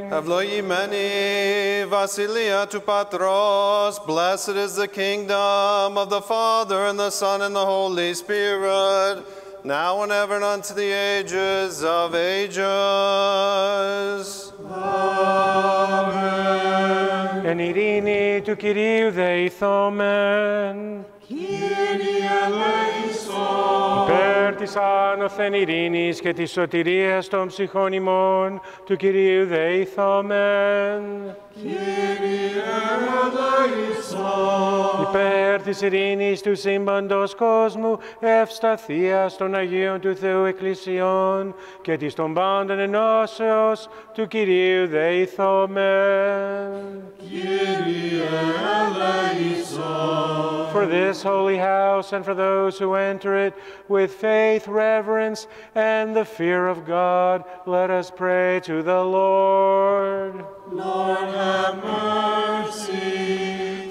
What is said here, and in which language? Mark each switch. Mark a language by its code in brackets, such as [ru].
[el] Ευλογή μένει Βασιλεία του Πατρός. [en] Blessed is the kingdom of the Father and the Son and the Holy Spirit, now and ever and unto the ages of ages. Amen. [el] Εν ειρήνη του Κυρίου δεηθόμεν. Κύριε ελέησον. Υπέρ της άνωθεν ειρήνης και της σωτηρίας των ψυχών ημών του Κυρίου δεηθόμεν. Κύριε ελέησον. Υπέρ της ειρήνης του σύμπαντος κόσμου, ευσταθίας των Αγίων του Θεού Εκκλησιών και της των πάντων ενώσεως του Κυρίου δεηθόμεν. Κύριε ελέησον. [en] for this holy house and for those who enter it with faith, reverence, and the fear of God. Let us pray to the Lord. Lord, have mercy.